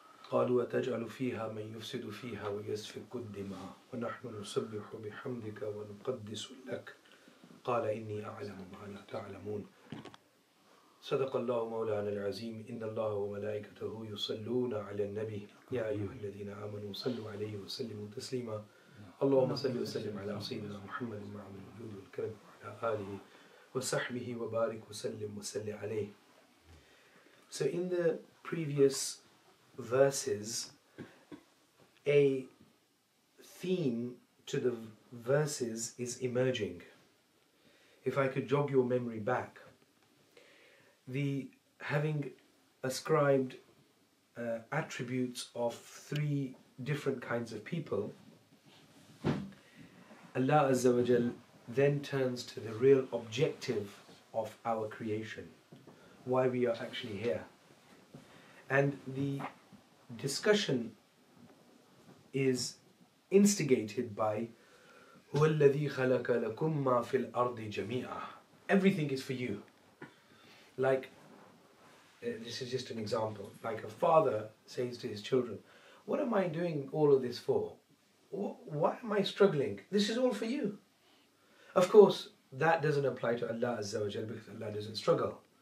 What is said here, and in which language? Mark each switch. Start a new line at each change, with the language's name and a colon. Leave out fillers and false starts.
Arabic: قالوا وتجعل فيها من يفسد فيها ويسفك الدماء ونحن نسبح بحمدك ونقدس لك قال إني أعلم ما لا تعلمون صدق الله مولانا العظيم إن الله وملائكته يصلون على النبي يا أيها الذين آمنوا صلوا عليه وسلموا تسليما اللهم صل وسلم على سيدنا محمد مع الوجود والكرم وعلى آله وصحبه وبارك وسلم وسل عليه.
English: So in the previous verses, a theme to the verses is emerging. If I could jog your memory back, the having ascribed attributes of three different kinds of people, Allah Azza wa Jal then turns to the real objective of our creation, why we are actually here. And the discussion is instigated by
Arabic: هُوَ الَّذِي خَلَقَ لَكُمْ مَا فِي الْأَرْضِ جَمِيعًا.
English: Everything is for you. Like, this is just an example. Like a father says to his children, what am I doing all of this for? Why am I struggling? This is all for you. Of course, that doesn't apply to Allah Azza wa Jal because Allah doesn't struggle.